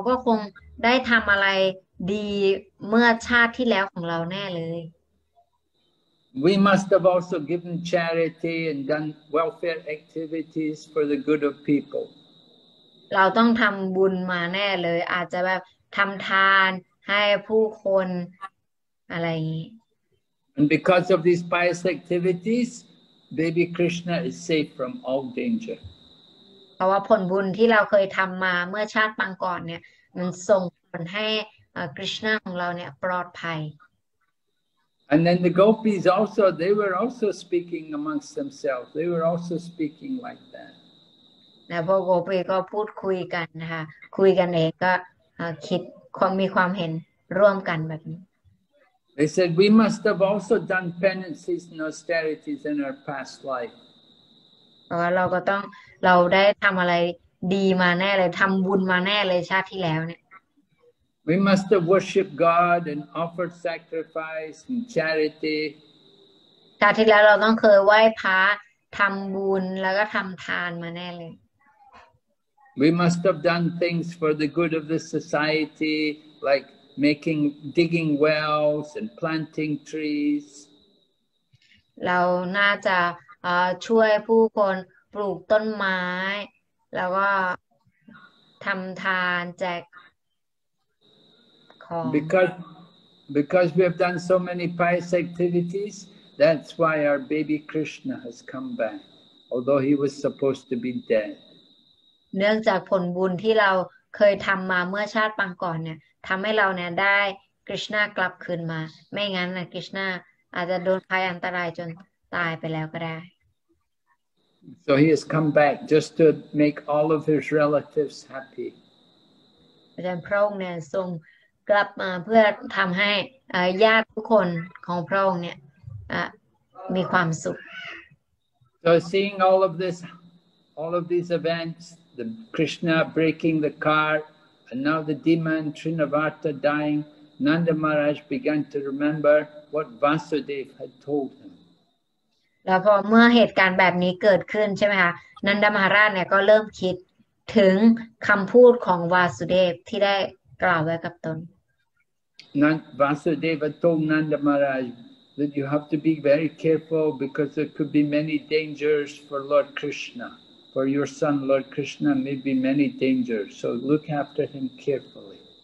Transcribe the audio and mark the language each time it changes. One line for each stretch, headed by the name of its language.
Thai: แล้วก็พวกชาวบรินดาวันนะคะเขาก็พูดกันต่อว่าความจริงแล้วเนี่ยเราก็คงได้ทำอะไร
English: We must have also given charity and done welfare activities for the good of people.
Thai: เราต้องทำบุญมาแน่เลยอาจจะแบบทำทานให้ผู้คนอะไรอย่างนี้
English: And because of these pious activities, baby Krishna is safe from all danger.
Thai: เพราะว่าผลบุญที่เราเคยทำมาเมื่อชาติปางก่อนเนี่ยมันส่งผลให้คริชนาของเราเนี่ยปลอดภัย
English: And then the gopis also, they were also speaking amongst themselves. They were also speaking like that.
Thai: แล้วพวกโกปีก็พูดคุยกันนะคะคุยกันเองก็คิดความมีความเห็นร่วมกันแบบนี้
English: They said, we must have also done penances and austerities in our past life.
Thai: เราก็ต้องเราได้ทำอะไรดีมาแน่เลยทำบุญมาแน่เลยชาติที่แล้วเนี่ย
English: We must have worshipped God and offered sacrifice and charity.
Thai: ชาติที่แล้วเราต้องเคยไหว้พระทำบุญแล้วก็ทำทานมาแน่เลย
English: We must have done things for the good of the society, like making digging wells and planting trees.
Thai: เราน่าจะช่วยผู้คนปลูกต้นไม้แล้วก็ทำทานแจกของ
English: Because we have done so many pious activities, that's why our baby Krishna has come back, although he was supposed to be dead.
Thai: เนื่องจากผลบุญที่เราเคยทำมาเมื่อชาติปางก่อนเนี่ยทำให้เราเนี่ยได้คริชนากลับคืนมาไม่งั้นนะคริชนาอาจจะโดนภัยอันตรายจนตายไปแล้วก็ได้
English: So he has come back just to make all of his relatives happy.
Thai: อาจารย์พระองค์เนี่ยทรงกลับมาเพื่อทำให้ญาติทุกคนของพระองค์เนี่ยมีความสุข
English: So seeing all of this, all of these events, the Krishna breaking the car, And now the demon Trnavarta dying, Nanda Maharaj began to remember what Vasudev had told him.
Thai: แล้วพอเมื่อเหตุการณ์แบบนี้เกิดขึ้นใช่ไหมคะนันดามหาราชเนี่ยก็เริ่มคิดถึงคำพูดของวาสุเดฟที่ได้กล่าวไว้กับตน
English: นันวาสุเดฟ told Nanda Maharaj that you have to be very careful because there could be many dangers for Lord Krishna. For your son, Lord Krishna, may be many dangers, so look after him carefully.